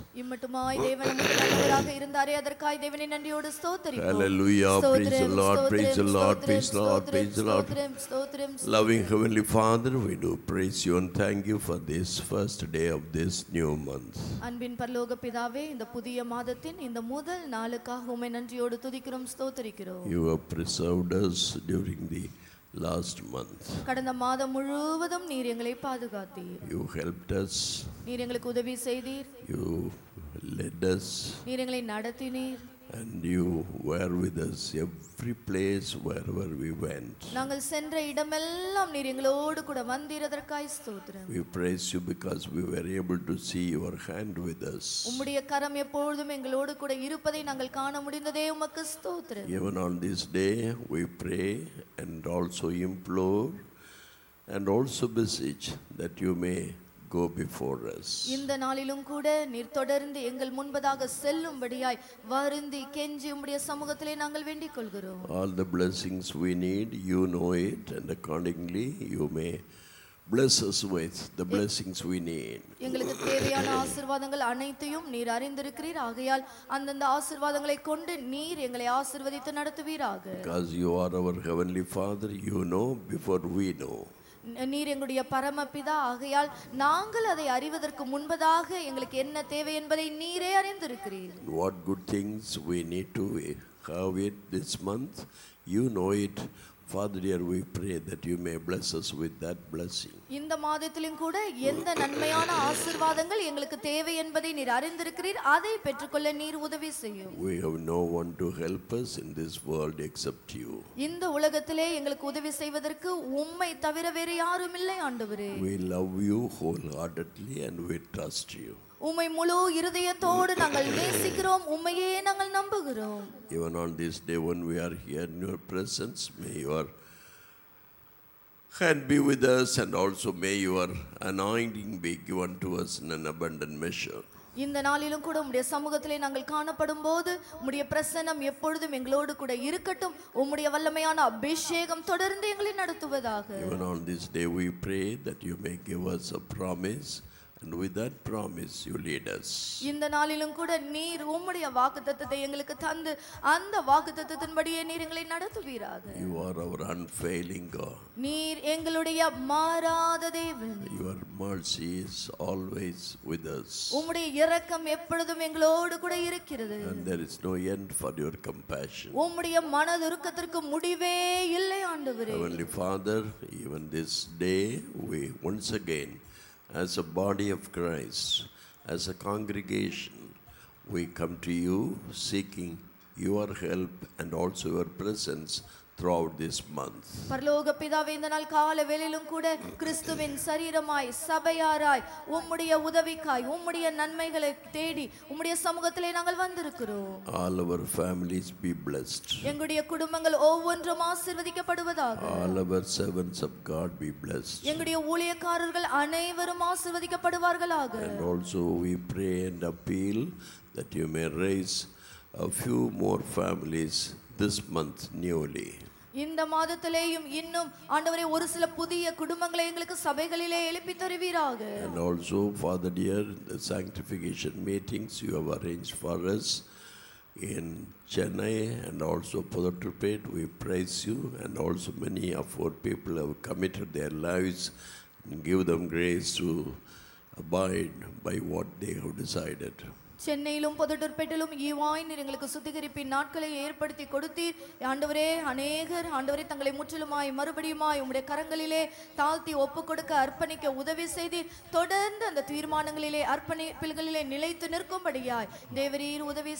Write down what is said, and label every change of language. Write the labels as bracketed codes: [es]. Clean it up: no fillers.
[ta] இம்மட்டுமாய் தேவன் நல்லவராக இருந்தாரே, அதற்காய் தேவனை நன்றியோடு ஸ்தோத்தரிப்போம். [en] Hallelujah, praise the Lord, praise the Lord, praise the Lord, praise the Lord. Loving Heavenly Father, we do praise you and thank you for this first day of this new month. [ta] அன்பின் பரலோக பிதாவே, இந்த புதிய மாதத்தின் இந்த முதல் நாளுக்காக உம்மை நன்றியோடு துதிக்கிறோம், ஸ்தோத்தரிக்கிறோம். [en] You have preserved us during the last month. [ta] கடந்த மாதம் முழுவதும் நீர் எங்களை பாதுகாத்தீர். [en] You helped us. [ta] நீர் எங்களுக்கு உதவி செய்தீர். [en] You led us. [ta] நீர் எங்களை நடத்தினீர். [en] And you were with us every place wherever we went. [ta] நாங்கள் சென்ற இடமெல்லாம் நீர் எங்களோடு கூட வந்தீரதற்காய் ஸ்தோத்திரம். [en] We praise you because we were able to see your hand with us. [ta] உம்முடைய கரம் எப்பொழுதும் எங்களோடு கூட இருப்பதை நாங்கள் காண முடிந்ததே உமக்கு ஸ்தோத்திரம். [en] Even on this day we pray and also implore and also beseech that you may go before us. [ta] இந்த நாளிலும் கூட நீர் தொடர்ந்து எங்கள் முன்பதாக செல்லும்படியாய் வருந்தி கெஞ்சி உம்முடைய சமூகத்திலே நாங்கள் வேண்டிக் கொள்கிறோம். [en] All the blessings we need, you know it, and accordingly you may bless us with the blessings we need. [ta] எங்களுக்கு தேவையான ஆசீர்வாதங்கள் அனைத்தையும் நீர் அறிந்திருக்கிறீர். ஆகையால் அந்தந்த ஆசீர்வாதங்களை கொண்டு நீர் எங்களை ஆசீர்வதித்து நடத்துவீராக. [en] Because you are our heavenly Father, you know before we know. [ta] நீர் எங்களுடைய பரமபிதா, ஆகையால் நாங்கள் அதை அறிவதற்கு முன்பதாக எங்களுக்கு என்ன தேவை என்பதை நீரே அறிந்திருக்கிறீர். [en] What good things we need to have it this month, you know it. Father dear, we pray that you may bless us with that blessing. [ta] இந்த மாதத்திலும் கூட எந்த நன்மையான ஆசீர்வாதங்கள் எங்களுக்கு தேவை என்பதை நீர் அறிந்திருக்கிறீர். அதை பெற்றுக்கொள்ள நீர் உதவி செய்யும். [en] We have no one to help us in this world except you. [ta] இந்த உலகத்திலே எங்களுக்கு உதவி செய்வதற்கு உம்மை தவிர வேறு யாரும் இல்லை ஆண்டவரே. [en] We love you wholeheartedly and we trust you. [ta] உம்மை முழு இருதயத்தோடு நாங்கள் நேசிக்கிறோம், உம்மையே நாங்கள் நம்புகிறோம். [en] Even on this day when we are here in your presence, may your hand be with us and also may your anointing be given to us in an abundant measure. [ta] இந்த நாளிலும் கூட உம்முடைய சமூகத்திலே நாங்கள் காணப்படும் போது உம்முடைய பிரசன்னம் எப்பொழுதும் எங்களோடு கூட இருக்கட்டும். உம்முடைய வல்லமையான அபிஷேகம் தொடர்ந்து எங்களை நடத்துவதாக. [en] Even on this day we pray that you may give us a promise. And with that promise you lead us. [ta] இந்த நாளிலும் கூட நீர் உம்முடைய வாக்குத்தத்தத்தை எங்களுக்கு தந்து அந்த வாக்குத்தத்தத்தின்படியே நீர் எங்களை நடத்துவீராக. [en] You are our unfailing God. [ta] நீர் எங்களுடைய மாறாத தேவன். [en] Your mercy is always with us. [ta] உம்முடைய இரக்கம் எப்பொழுதும் எங்களோடு கூட இருக்கிறது. [en] And there is no end for your compassion. [ta] உம்முடைய மனதுருக்கத்திற்கு முடிவே இல்லை ஆண்டவரே. [en] Heavenly Father, even this day we once again, as a body of Christ, as a congregation, we come to you seeking your help and also your presence throughout this month. [ta] பரலோக பிதாவே, இந்த நாள் காலை வேளையிலும் கூட கிறிஸ்துவின் சரீரமாய் சபையாராய் உம்முடைய உதவிக்காய் உம்முடைய நன்மைகளை தேடி உம்முடைய சமூகத்திலே நாங்கள் வந்திருக்கிறோம். [en] All our families be blessed. [ta] எங்களுடைய குடும்பங்கள் ஒவ்வொன்றும் ஆசீர்வதிக்கப்படுவதாக. [en] All our servants of God be blessed. [ta] எங்களுடைய ஊழியக்காரர்கள் அனைவரும் ஆசீர்வதிக்கப்படுவார்களாக. [en] And also we pray and appeal that you may raise a few more families this month newly. [ta] இந்த மாதத்திலேயும் இன்னும் ஆண்டவரே ஒரு சில புதிய குடும்பங்களை எங்களுக்கு சபைகளிலே எழுப்பி தருவீராக. [en] And also Father dear, the sanctification meetings you have arranged for us in Chennai and also Puthucherry, we praise you. And also many of our people have committed their lives and give them grace to abide by what they have decided. [ta] சென்னையிலும் புதுட்டூர்பேட்டிலும் இவ்வாயினர் எங்களுக்கு சுத்திகரிப்பின் நாட்களை ஏற்படுத்தி கொடுத்தீர். ஆண்டவரே அநேகர் ஆண்டவரே தங்களை முற்றிலுமாய் மறுபடியுமாய் உம்முடைய கரங்களிலே தாழ்த்தி ஒப்பு கொடுக்க அர்ப்பணிக்க உதவி செய்தீர். தொடர்ந்து அந்த தீர்மானங்களிலே அர்ப்பணிப்பில்களிலே நிலைத்து நிற்கும்படியாய் தேவரீர் உதவி